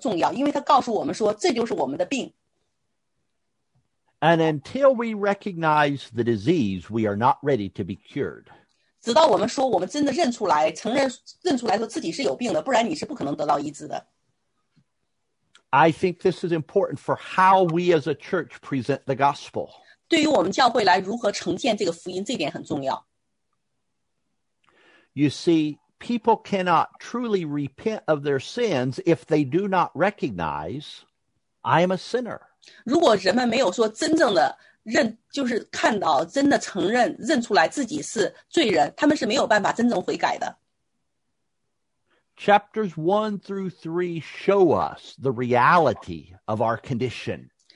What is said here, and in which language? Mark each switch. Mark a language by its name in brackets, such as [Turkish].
[Chinese] 然后呢,对于这个福音的好消息来讲,罗马书1到3章是非常的关键,也非常的重要,因为它告诉我们说这就是我们的病。 [English] And until we recognize the disease, we are not ready to be cured. [Chinese] 直到我们说我们真的认出来,承认说自己是有病的,不然你是不可能得到医治的。 [English] I think this is important for how we as a church present the gospel. [Chinese] 对于我们教会来如何呈现这个福音,这点很重要。 [English] You see, people cannot truly repent of their sins if they do not recognize, I am a sinner. [Chinese] 如果人们没有说真正的 认出来自己是罪人,他们是没有办法真正悔改的。 [English] Chapters 1 through 3 show us the reality of our condition.